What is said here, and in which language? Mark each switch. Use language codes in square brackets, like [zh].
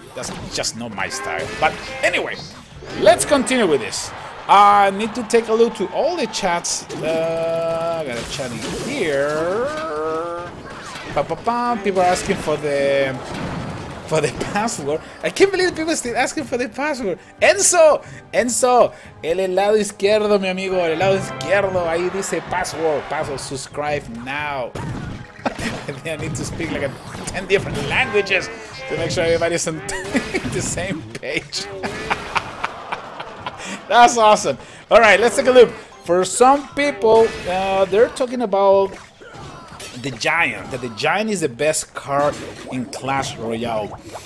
[en] That's just not my style. But anyway, let's continue with this. I need to take a look to all the chats. I got a chat in here. Ba-ba-bam. People are asking for the password. I can't believe people are still asking for the password. [es] Enzo, el lado izquierdo, mi amigo, el lado izquierdo, ahí dice password, subscribe now. [en] And then I need to speak like 10 different languages to make sure everybody's on the same page. That's awesome. All right, let's take a look. For some people, they're talking about the Giant, that the Giant is the best card in Clash Royale.